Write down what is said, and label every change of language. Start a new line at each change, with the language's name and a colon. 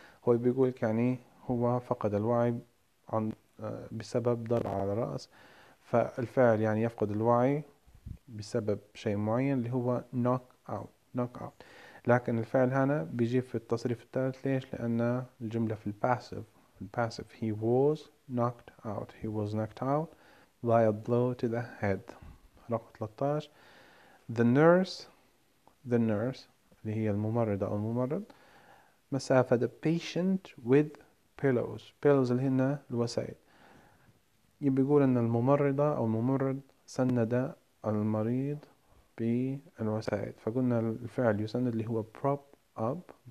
Arabic: هو بيقول يعني هو فقد الوعي عن بسبب ضرب على الرأس. فالفعل يعني يفقد الوعي بسبب شيء معين اللي هو
English: knock out. knock out
Arabic: لكن الفعل هنا بيجي في التصريف الثالث، ليش؟ لأن الجملة في الباسيف.
English: الباسيف he was knocked out. he was knocked out by a blow to the head.
Arabic: رقم
English: 13 the nurse. the nurse
Arabic: اللي هي الممرضة أو الممرض مسافة
English: the patient with pillows.
Arabic: pillows اللي هنا الوسائد. يبي يقول أن الممرضة أو الممرض سند المريض بالوسائد، فقلنا الفعل يسند اللي هو
English: prop up.